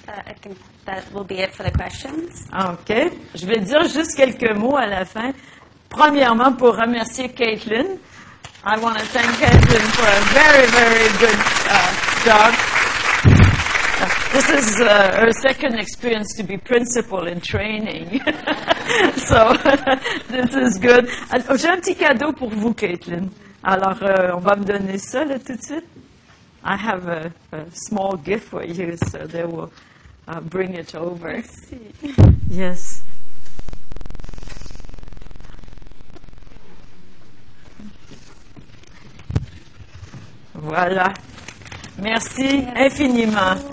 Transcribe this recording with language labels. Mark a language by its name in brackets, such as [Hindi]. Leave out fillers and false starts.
[English] I think that will be it for the questions. OK. [French] Je vais dire juste quelques mots à la fin. Premièrement, pour remercier Kathleen. [English] I want to thank Kathleen for a very, very good job. This is her second experience to be principal in training. So this is good. [French] J'ai un petit cadeau pour vous, Kathleen. Alors, on va me donner ça là, tout de suite. [English] I have a small gift for you, so they will bring it over. [French] Merci. [English] Yes. [French] Voilà. Merci infiniment.